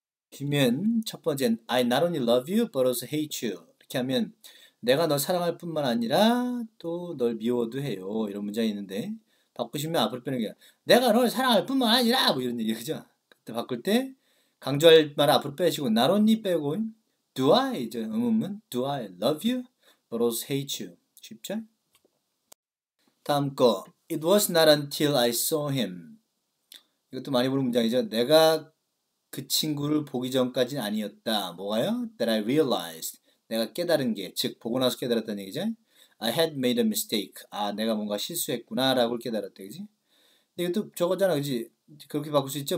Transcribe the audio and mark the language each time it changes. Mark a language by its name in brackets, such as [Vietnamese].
[Korean] 보시면 첫 번째, [English] I not only love you but also hate you. [Korean] 이렇게 하면 내가 널 사랑할 뿐만 아니라 또널 미워도 해요. 이런 문장이 있는데 바꾸시면 앞으로 빼는 게 내가 널 사랑할 뿐만 아니라 뭐 이런 얘기 그죠? 그때 바꿀 때 강조할 말 앞으로 빼시고 [English] not only [Korean] 빼고 [English] do I [Korean] 이제 음음은 [English] do I love you but also hate you. [Korean] 쉽죠? [English] 다음 거, It was not until I saw him. [Korean] 이것도 많이 보는 문장이죠. 내가 그 친구를 보기 전까지는 아니었다. 뭐가요? [English] That I realized. [Korean] 내가 깨달은 게, 즉 보고 나서 깨달았다는 얘기죠. [English] I had made a mistake. [Korean] 아, 내가 뭔가 실수했구나라고 깨달았다, 그지? 근데 이것도 저거잖아, 그지? 그렇게 바꿀 수 있죠.